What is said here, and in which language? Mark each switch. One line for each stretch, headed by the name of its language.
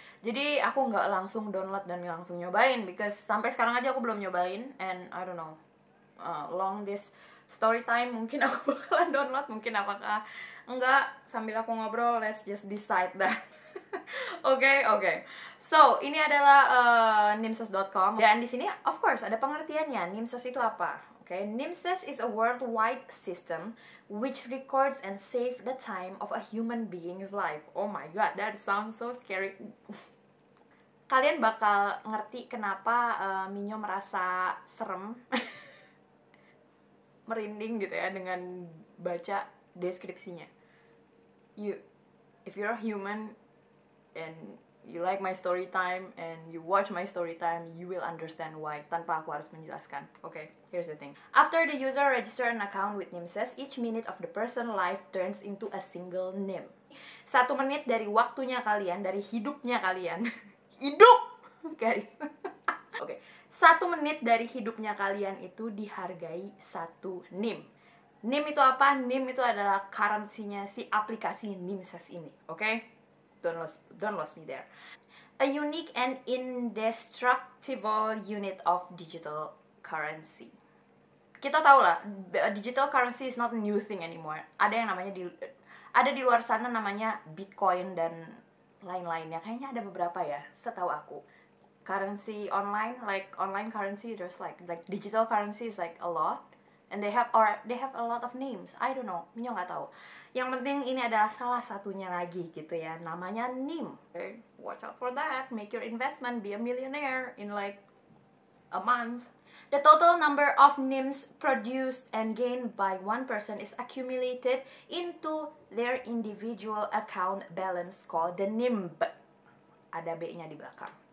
Indonesian: Jadi aku nggak langsung download dan langsung nyobain, because sampai sekarang aja aku belum nyobain,
English: and I don't know, long this story time,
Indonesian: mungkin aku bakalan download, mungkin apakah enggak, sambil aku ngobrol,
English: let's just decide that.
Indonesian: Okay. So, ini adalah nimses.com. Dan di sini, of course, ada pengertiannya. Nimses itu apa? Okay.
English: Nimses is a worldwide system which records and save the time of a human being's life. Oh my god, that sounds so scary.
Indonesian: Kalian bakal ngerti kenapa Minyo merasa serem. Merinding gitu ya dengan baca deskripsinya.
English: You, if you're a human and you like my story time and you watch my story time, you will understand why
Indonesian: tanpa aku harus menjelaskan.
English: Okay, here's the thing. After the user register an account with Nimses, each minute of the person life turns into a single name.
Indonesian: Satu menit dari waktunya kalian, dari hidupnya kalian. Hidup, guys. Okay. Satu menit dari hidupnya kalian itu dihargai satu NIM. NIM itu apa? NIM itu adalah currency-nya si aplikasi Nimses ini.
English: Okay? Don't lose me there. A unique and indestructible unit of digital currency.
Indonesian: Kita tahu lah,
English: digital currency is not a new thing anymore.
Indonesian: Ada yang namanya ada di luar sana namanya Bitcoin dan lain-lainnya. Kayaknya ada beberapa ya, setahu aku.
English: Currency online, like online currency, there's like digital currency is like a lot, and they have a lot of names. I don't know,
Indonesian: Minyo nggak tahu. Yang penting ini adalah salah satunya lagi gitu ya, namanya NIM.
English: Okay, watch out for that. Make your investment, be a millionaire in like a month. The total number of NIMs produced and gained by one person is accumulated into their individual account balance called the NIMB.
Indonesian: Ada B-nya di belakang.